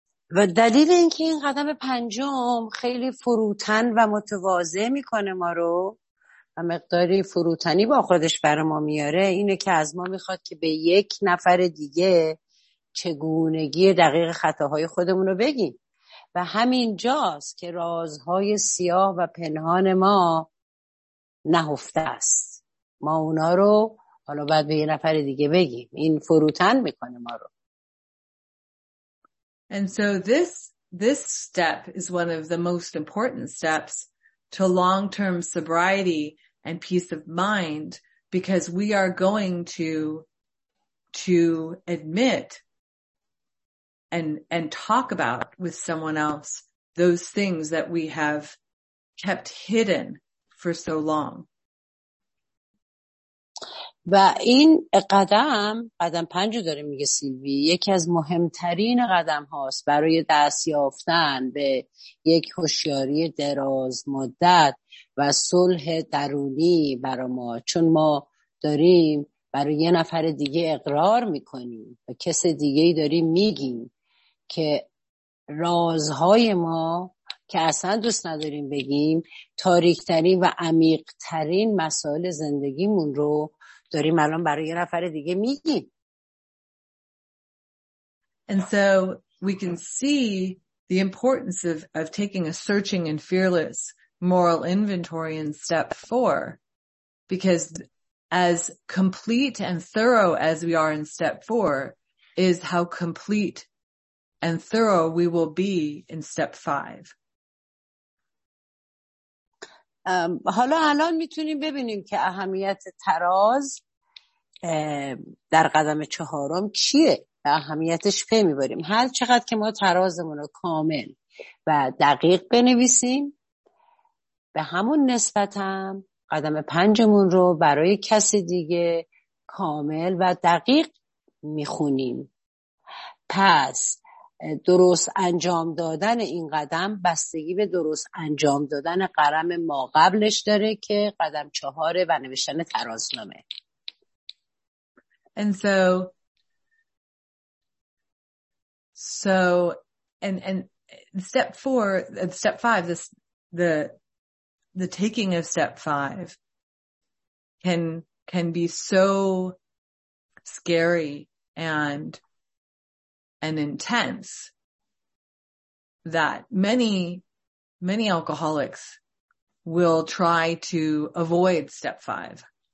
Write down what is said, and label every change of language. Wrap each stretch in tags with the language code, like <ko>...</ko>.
<fa>و دلیل اینکه این قدم پنجم خیلی فروتن و متواضع میکنه ما رو و مقداری فروتنی با خودش بر ما میاره اینه که از ما میخواد که به یک نفر دیگه چگونگی دقیق خطاهای خودمون رو بگیم و همین جاست که رازهای سیاه و پنهان ما نهفته است. ما اونا رو حالا بعد به یه نفر دیگه بگیم. این فروتن میکنه ما رو.</fa> <en>And so this step is one of the most important steps to long-term sobriety and peace of mind because we are going to admit and talk about with someone else those things that we have kept hidden for so long.</en> <fa>و این قدم پنجو داره میگه سیلوی، یکی از مهمترین قدم هاست برای دست یافتن به یک هوشیاری دراز مدت و صلح درونی برای ما، چون ما داریم برای یه نفر دیگه اقرار میکنیم و کس دیگه داریم میگیم که رازهای ما که اصلا دوست نداریم بگیم تاریکترین و عمیقترین مسائل زندگیمون رو داریم الان برای یه نفر دیگه میگیم.</fa> <en>And so we can see the importance of taking a searching and fearless moral inventory in step 4 because as complete and thorough as we are in step 4 is how complete and thorough we will be in step 5.</en> <fa>حالا الان میتونیم ببینیم که اهمیت تراز در قدم چهارم چیه و اهمیتش پی میبریم. هر چقدر که ما ترازمونو کامل و دقیق بنویسیم به همون نسبتم قدم پنجمون رو برای کسی دیگه کامل و دقیق میخونیم. پس درست انجام دادن این قدم بستگی به درست انجام دادن قدم ما قبلش داره که قدم چهاره و نوشتن ترازنامه.</fa> <en>And so step 4 and step 5 the taking of step 5 can be so scary and intense that many alcoholics will try to avoid step 5.</en>